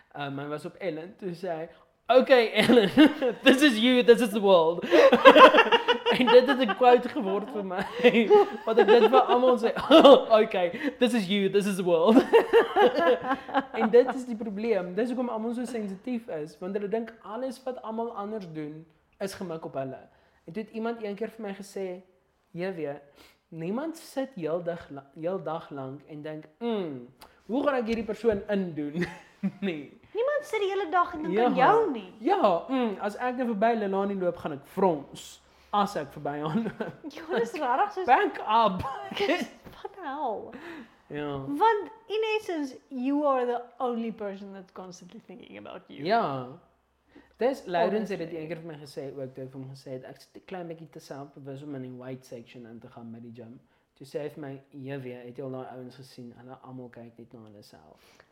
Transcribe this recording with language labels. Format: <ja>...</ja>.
<af>Hy was op Ellen, toe sê hy, okay Ellen, this is you, this is the world. En dit het 'n quote geword vir my, wat ek dit vir allemaal sê, okay, this is you, this is the world. En dit is die probleem, dit is hoekom allemaal so sensitief is, want hulle dink alles wat allemaal anders doen, is gemik op hulle. En toe het iemand een keer vir my gesê, jy weet, niemand sit heel dag lang en denk, hoe gaan ek hierdie persoon indoen? Nee. Niemand sit die hele dag en dink aan jou nie. Ja, as ek nou voorbij Lelanie loop, gaan ek frons. As ek voorbij aan loop. Jo, dit is rarig soos...</af> <en>Bank up!</en> <af>Wat hel? Ja.</af> <en>Want, in essence, you are the only person that's constantly thinking about you.</en> <af>Ja. Dis, Laurens het een keer vir my gesê, ook toe vir my gesê, ek sê die klein bekie te selfbewus om in die white section in te gaan met die gym. Toe sê hy vir my, jywee, het jy al die ouwens gesien, en hulle allemaal kyk net na hulle self.</af>